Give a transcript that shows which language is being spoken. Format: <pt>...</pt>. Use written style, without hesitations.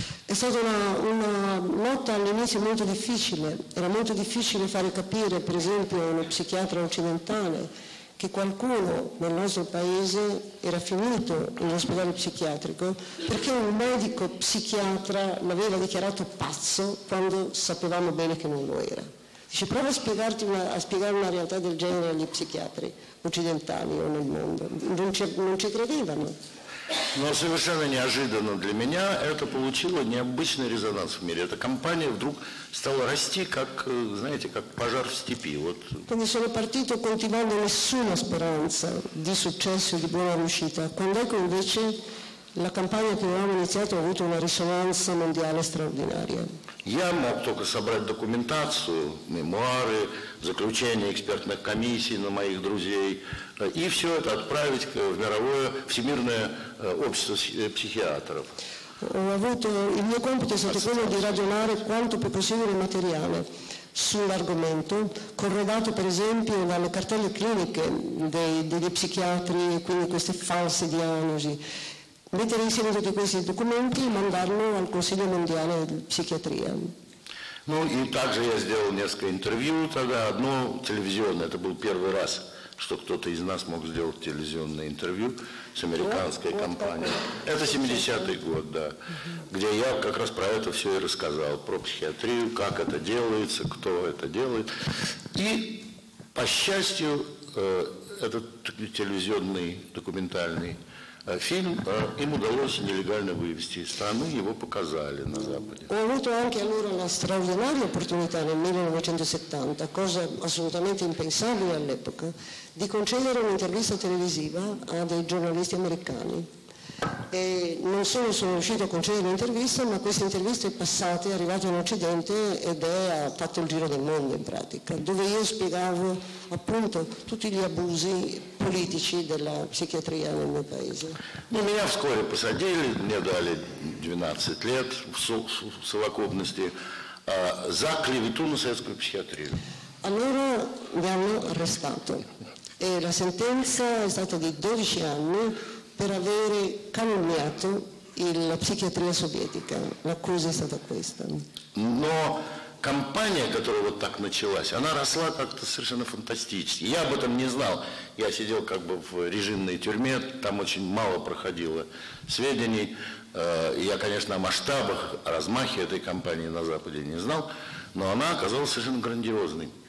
<it>È stata una lotta all'inizio molto difficile, era molto difficile fare capire, per esempio, a uno psichiatra occidentale che qualcuno nel nostro paese era finito in ospedale psichiatrico perché un medico psichiatra l'aveva dichiarato pazzo quando sapevamo bene che non lo era. Dice, prova a spiegare una realtà del genere agli psichiatri occidentali o nel mondo, non ci credevano.</it> <ru>Но совершенно неожиданно для меня это получило необычный резонанс в мире. Эта компания вдруг стала расти, как, знаете, как пожар в степи. Вот.</ru> <it>Quindi sono partito coltivando nessuna speranza di successo e di buona riuscita. Quando ecco invece la campagna che avevamo iniziato ha avuto una risonanza mondiale straordinaria.</it> <ru>Я мог только собрать документацию, мемуары, заключения экспертных комиссий на моих друзей и все это отправить в мировое, всемирное общество психиатров.</ru> <it>Il mio compito è stato quello di ragionare quanto più possibile materiale sull'argomento, corredato per esempio dalle cartelle cliniche dei psichiatri, quindi queste false diagnosi. Mettere insieme tutti questi documenti e mandarlo al Consiglio Mondiale di Psichiatria.</it> <ru>Ну и также я сделал несколько интервью тогда, одно телевизионное, это был первый раз, что кто-то из нас мог сделать телевизионное интервью с американской компанией. Это 70-й год, да, где я как раз про это все и рассказал, про психиатрию, как это делается, кто это делает. И, по счастью, этот телевизионный документальный фильм им удалось нелегально вывести из страны, его показали на Западе.</ru> <it>Ho avuto anche allora la straordinaria opportunità nel 1970, cosa assolutamente impensabile all'epoca, di concedere un'intervista televisiva a dei giornalisti americani. E non solo sono riuscito a concedere un'intervista, ma questa intervista è passata, è arrivata in Occidente ed ha fatto il giro del mondo in pratica, dove io spiegavo appunto tutti gli abusi politici della psichiatria nel mio paese.</it> <ru>Ну, меня вскоре посадили, мне дали 12 лет в совокупности за клевету на советскую психиатрию.</ru> <it>Allora mi hanno arrestato e la sentenza è stata di 12 anni per avere calunniato la psichiatria sovietica. L'accusa è stata questa.</it> <ru>Но компания, которая вот так началась, она росла как-то совершенно фантастически. Я об этом не знал. Я сидел как бы в режимной тюрьме, там очень мало проходило сведений. Я, конечно, о масштабах, о размахе этой компании на Западе не знал, но она оказалась совершенно грандиозной.</ru>